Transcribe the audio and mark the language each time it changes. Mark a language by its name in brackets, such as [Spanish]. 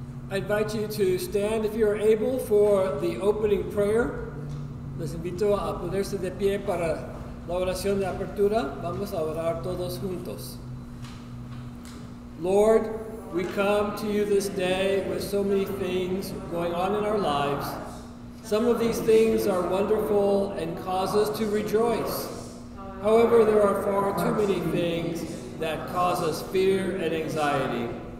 [English] I invite you to stand if you are able for the opening prayer. [Spanish] Les invito a ponerse de pie para la oración de apertura. Vamos a orar todos juntos. [English] Lord, we come to you this day with so many things going on in our lives. Some of these things are wonderful and cause us to rejoice. However, there are far too many things that cause us fear and anxiety.